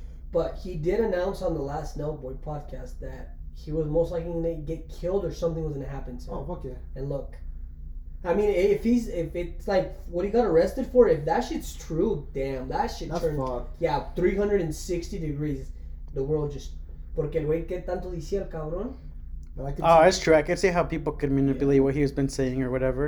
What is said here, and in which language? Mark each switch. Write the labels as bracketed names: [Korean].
[English] But he did announce on the last Nelboy podcast that he was most likely going to get killed or something was going to happen. So. Oh, fuck yeah. And look, I mean, if it's like what he got arrested for, if that shit's true, damn, that shit turned. Yeah, 360 degrees. The world just, [Spanish] Porque el güey que tanto decía el cabrón. [English] Oh, that's true. I can see how people could manipulate what he's been saying or whatever.